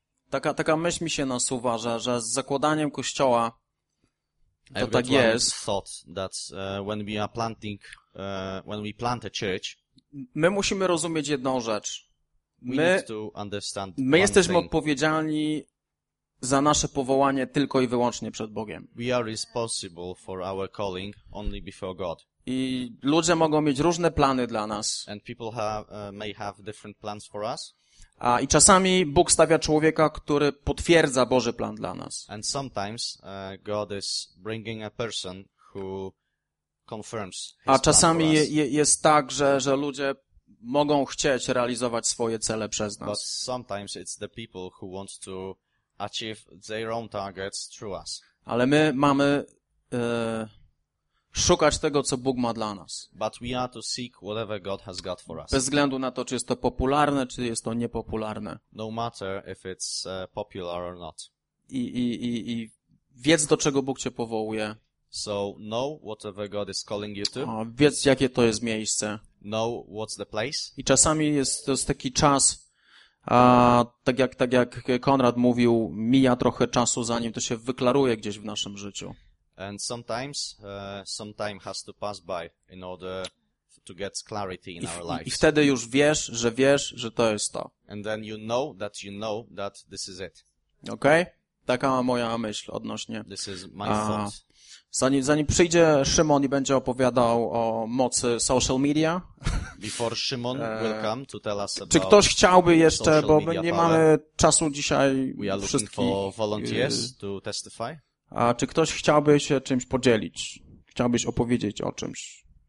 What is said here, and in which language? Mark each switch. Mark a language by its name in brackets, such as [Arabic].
[Polish] Taka myśl mi się nasuwa, że z zakładaniem kościoła to tak jest. [English] Thought that when we are planting, when we plant a church, [Polish] my musimy rozumieć jedną rzecz. [English] We need to understand [Polish] my jesteśmy odpowiedzialni za nasze powołanie tylko i wyłącznie przed Bogiem. [English] We are responsible for our calling only before God. [Polish] I ludzie mogą mieć różne plany dla nas. [English] And people have, may have different plans for us. [Polish] I czasami Bóg stawia człowieka, który potwierdza Boży plan dla nas. [English] And sometimes God is bringing a person who confirms his [Polish] plan. A czasami jest tak, że ludzie mogą chcieć realizować swoje cele przez nas. [English] But sometimes it's the people who want to achieve their own targets through us. [Polish] Ale my mamy szukać tego, co Bóg ma dla nas. [English] But we are to seek whatever God has got for us. [Polish] Bez względu na to, czy jest to popularne, czy jest to niepopularne. [English] No matter if it's popular or not. [Polish] I wiedz, do czego Bóg cię powołuje. [English] So know whatever God is calling you to. [Polish] Wiedz, jakie to jest miejsce. [English] Know what's the place. [Polish] I czasami jest to jest taki czas, tak jak Konrad mówił, mija trochę czasu, zanim to się wyklaruje gdzieś w naszym życiu. [English] And sometimes some time has to pass by in order to get clarity in our lives. [Polish] I wtedy już wiesz, że to jest to. [English] And then you know that this is it. [Polish] Okay? Taka moja myśl odnośnie. [English] This is my thought. [Polish] Zanim przyjdzie Szymon i będzie opowiadał o mocy social media. [English] Before Szymon will come to tell us about. [Polish] Czy ktoś chciałby jeszcze, bo my nie mamy czasu dzisiaj. [English] We are looking for volunteers to testify. [Polish] A czy ktoś chciałby się czymś podzielić? Chciałbyś opowiedzieć o czymś?